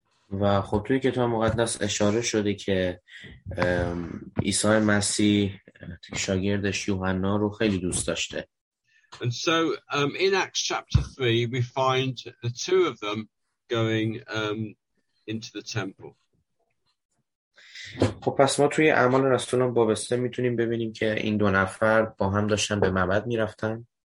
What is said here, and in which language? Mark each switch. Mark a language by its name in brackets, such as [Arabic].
[Persian] و خب توی کتاب مقدس اشاره شده که عیسی مسیح شاگردش یوحنا رو خیلی دوست داشته. [English] And so in Acts chapter 3 we find the two of them going into the temple. [Persian] خب پس ما توی اعمال رسولان باب 3 میتونیم ببینیم که این دو نفر با هم داشتن به معبد میرفتن.